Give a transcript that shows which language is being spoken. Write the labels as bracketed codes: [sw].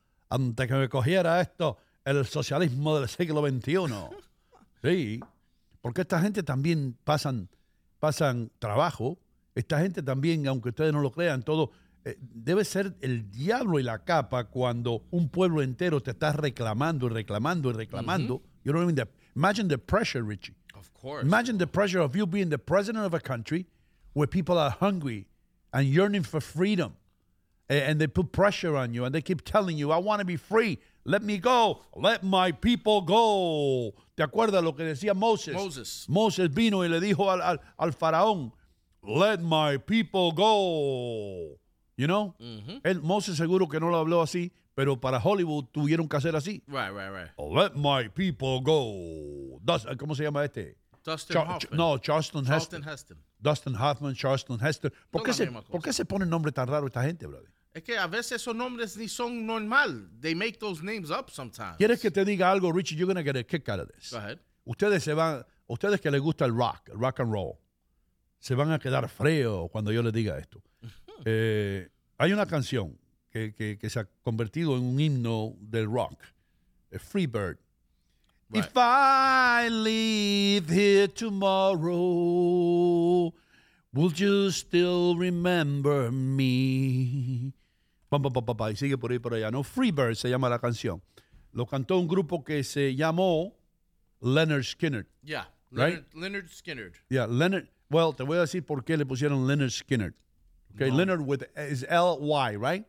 [es] Antes que me cogiera esto, el socialismo del siglo XXI. Sí. Porque esta gente también pasan trabajo. Esta gente también, aunque ustedes no lo crean, todo debe ser el diablo y la capa cuando un pueblo entero te está reclamando y reclamando y reclamando. [en] Mm-hmm. You know what I mean? Imagine the pressure, Richie. Of course. Imagine the pressure of you being the president of a country where people are hungry and yearning for freedom. And they put pressure on you and they keep telling you, I want to be free. Let me go. Let my people go. [es] ¿Te acuerdas lo que decía Moses? [en] Moses. [es] Moses vino y le dijo al faraón, [en] let my people go. [es] You know? Mm-hmm. Moses seguro que no lo habló así, pero para Hollywood tuvieron que hacer así. [en] Right, right, right. Let my people go. [es] ¿Cómo se llama este? [en] Charlton Heston. Charlton Heston. [es] ¿Por qué se pone nombre tan raro esta gente, brother? Es que a veces esos nombres ni son normal. [en] They make those names up sometimes. [es] ¿Quieres que te diga algo, Richie? [en] You're going to get a kick out of this. Go ahead. [es] Ustedes que les gusta el rock and roll, se van a quedar fríos cuando yo les diga esto. Hay una canción que se ha convertido en un himno del rock. [en] Free Bird. Right. If I leave here tomorrow, will you still remember me? [es] Pam, pam, pam, pam, y sigue por ahí, por allá. No, Free Bird se llama la canción. Lo cantó un grupo que se llamó Lynyrd Skynyrd. [en] Yeah, Lynyrd Skynyrd. Yeah, Lynyrd. [es] Well, te voy a decir por qué le pusieron Lynyrd Skynyrd. [en] Okay, no. Lynyrd is L-Y, right?